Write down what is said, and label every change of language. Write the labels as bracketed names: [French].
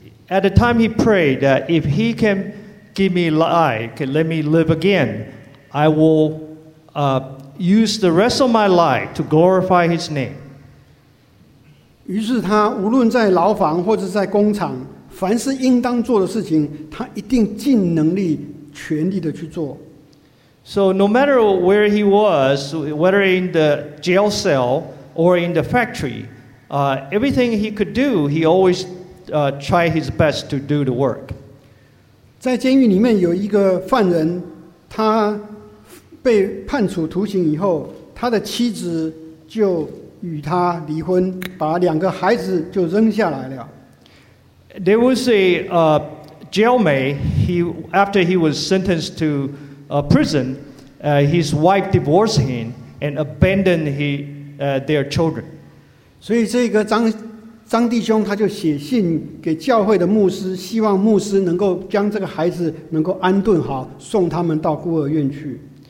[English] At the time he prayed that if he can give me life, can let me live again, I will use the rest of my life to glorify his name. [Chinese] 于是他无论在牢房或者在工厂，凡是应当做的事情，他一定尽能力、全力的去做。 [English] So no matter where he was, whether in the jail cell or in the factory, everything he could do, he always tried his best to do the work. [Chinese] 在监狱里面有一个犯人，他被判处徒刑以后，他的妻子就与他离婚，把两个孩子就扔下来了。 [English] There was a jailmate. After he was sentenced to prison, his wife divorced him and abandoned their children. [Chinese] 所以这个张弟兄他就写信给教会的牧师，希望牧师能够将这个孩子能够安顿好，送他们到孤儿院去。